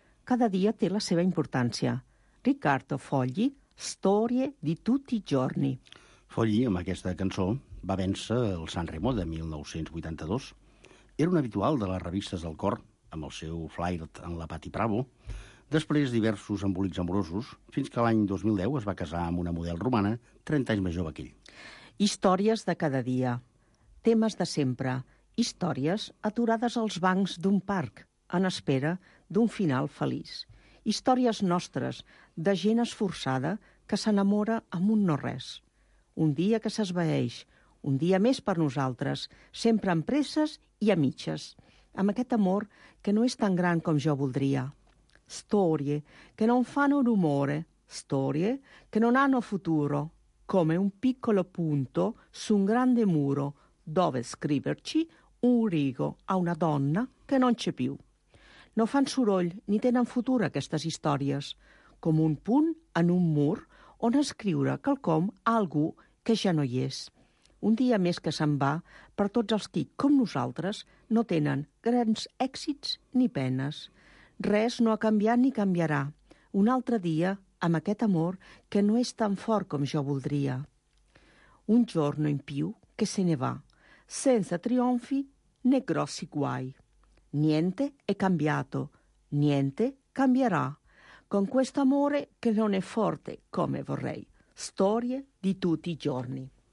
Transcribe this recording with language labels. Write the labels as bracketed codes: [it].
[ca] Cada dia té la seva importància. [it] Riccardo Fogli, Storie di tutti i giorni. [ca] Fogli, amb aquesta cançó, va vèncer el San Remo de 1982. Era un habitual de les revistes del cor, amb el seu flirt en la Patti Pravo, després diversos embolics amorosos, fins que l'any 2010 es va casar amb una model romana 30 anys més jove que ell. Històries de cada dia. Temes de sempre. Històries aturades als bancs d'un parc, en espera d'un final feliç. Històries nostres, de gent esforçada que s'enamora amb un no-res. Un dia que s'esvaeix, un dia més per nosaltres, sempre amb presses i a mitges, amb aquest amor que no és tan gran com jo voldria. [it] storie che non fanno rumore, storie che non hanno futuro, come un piccolo punto su un grande muro dove scriverci un rigo a una donna che non c'è più. [ca] No fan soroll ni tenen futur aquestes històries, com un punt en un mur on escriure quelcom a algú que ja no hi és. Un dia més que se'n va per tots els qui, com nosaltres, no tenen grans èxits ni penes. Res no ha canviat ni canviarà. Un altre dia, amb aquest amor que no és tan fort com jo voldria. [it] Un giorno in più que se ne va, senza trionfi né grossi guai. Niente è cambiato, niente cambierà, con questo amore che non è forte come vorrei. Storie di tutti i giorni.